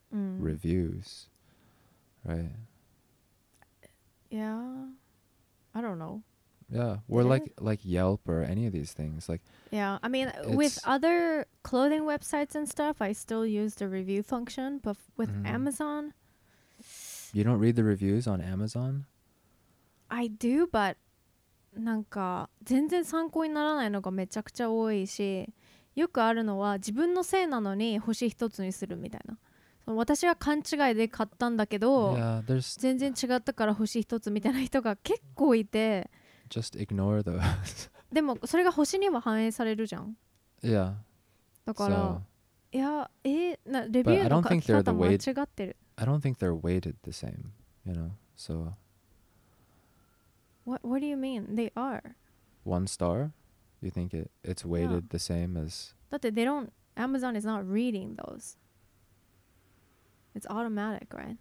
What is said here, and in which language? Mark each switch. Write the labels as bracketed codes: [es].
[en] Reviews. Right. Yeah. I don't know. Yeah. Or like Yelp or any of these things. Like, yeah. I mean, with other clothing websites and stuff, I still use the review function. But with Amazon. You don't read the reviews on Amazon? I do, but [ja] なんか全然参考にならないのがめちゃくちゃ多いし、よくあるのは自分のせいなのに星一つにするみたいな。私は勘違いで買ったんだけど、 [en] yeah, [ja] 全然違ったから星一つみたいな人が結構いて、 [en] Just ignore those. [ja] でもそれが星にも反映されるじゃん。 [en] Yeah. [ja] だから、 [en] so. [ja] いや、なレビューの書き方も間違ってる。 [en] I don't think they're weighted the same, you know. So what do you mean? They are. One star? You think it's weighted、yeah. the same as? [ja] だって [en] Amazon is not reading those. It's automatic, right?